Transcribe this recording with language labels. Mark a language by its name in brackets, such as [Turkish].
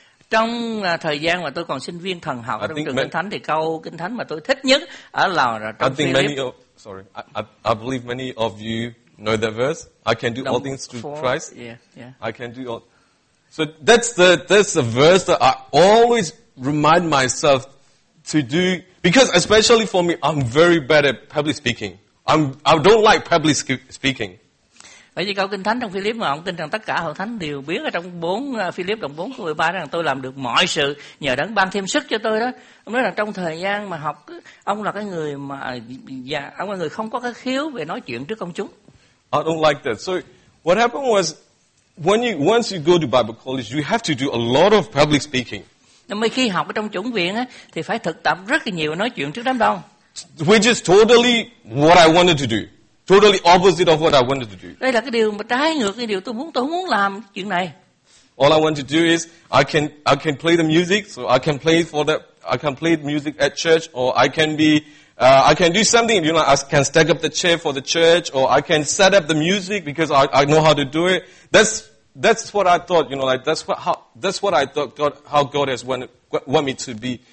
[Vietnamese] Trong thời gian mà tôi còn sinh viên thần học ở trong trường Kinh Thánh thì câu Kinh Thánh mà tôi thích nhất ở là trong Philip. [English] I believe many of you know that verse. I can do all things through Christ. Yeah. I can do all. So that's the verse that I always remind myself to do, because especially for me, I'm very bad at public speaking. I don't like public speaking. [Vietnamese] Bởi vì câu Kinh Thánh trong Philip mà ông tin rằng tất cả hội thánh đều biết ở trong Philip đồng 4 câu 13 rằng tôi làm được mọi sự nhờ đấng ban thêm sức cho tôi đó. Ông nói là trong thời gian mà học, ông là cái người mà ông là người không có cái khiếu về nói chuyện trước công chúng. [English] I don't like that. So what happened was once you go to Bible college, you have to do a lot of public speaking. [Vietnamese] Mới khi học ở trong chủng viện á thì phải thực tập rất là nhiều nói chuyện trước đám đông. [English] Which is totally what I wanted to do. Totally opposite of what I wanted to do. [Vietnamese] Đây là cái điều mà trái ngược cái điều tôi muốn làm chuyện này. [English] All I want to do is I can play the music, so I can play for that. I can play the music at church, or I can do something. You know, I can stack up the chair for the church, or I can set up the music because I know how to do it. That's what I thought. You know, like that's what I thought God wanted me to be.